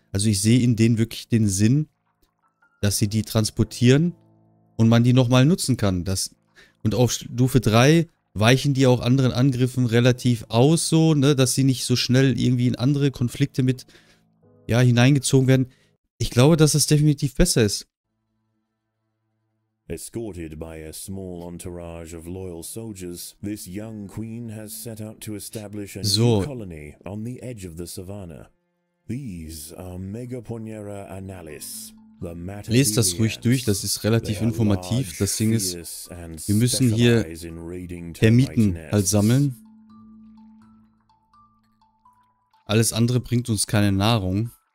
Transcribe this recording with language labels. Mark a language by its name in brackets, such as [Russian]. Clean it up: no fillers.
[German] Also ich sehe in denen wirklich den Sinn, dass sie die transportieren und man die nochmal nutzen kann. Und auf Stufe 3 weichen die auch anderen Angriffen relativ aus, so, ne, dass sie nicht so schnell irgendwie in andere Konflikte mit ja, hineingezogen werden. Ich glaube, dass das definitiv besser ist. [English] Escorted by a small entourage of loyal soldiers, this young queen has set out to establish a new colony on the edge of the savannah. These are Megaponera Analis. [German] Lest das ruhig durch, das ist relativ informativ. Das Ding ist, wir müssen hier Termiten halt sammeln. Alles andere bringt uns keine Nahrung.